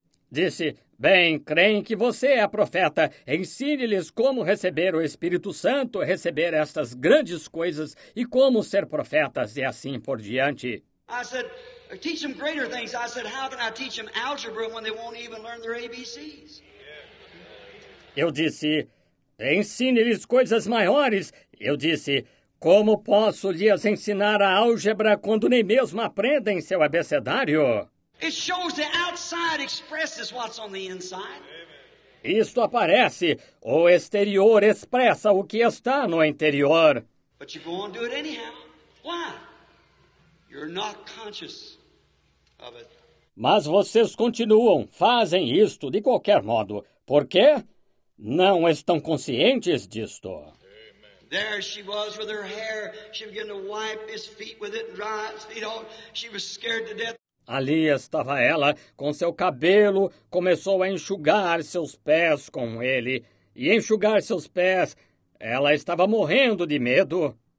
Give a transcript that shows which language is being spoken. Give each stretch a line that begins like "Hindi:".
Portuguese: Disse, bem, creem que você é profeta, ensine-lhes como receber o Espírito Santo, receber estas grandes coisas e como ser profetas e assim por diante.
English: I said, teach them greater things. I said, how can I teach them algebra when they won't even learn their ABCs?
Portuguese: Eu disse, ensine-lhes coisas maiores. Eu disse, como posso lhes ensinar a álgebra quando nem mesmo aprendem seu abecedário?
English: It shows the outside expresses what's on the inside.
Portuguese: Isto aparece. O exterior expressa o que está no interior.
English: But you go on do it anyhow. Why? You're not conscious of it.
Portuguese: Mas vocês continuam, fazem isto de qualquer modo. Por quê? Não estão conscientes disto.
English: There she was with her hair. She began to wipe his feet with it and dry his feet off. She was scared to death.
Portuguese: Ali estava ela, com seu cabelo, começou a enxugar seus pés com ele. E enxugar seus pés, ela estava morrendo de medo.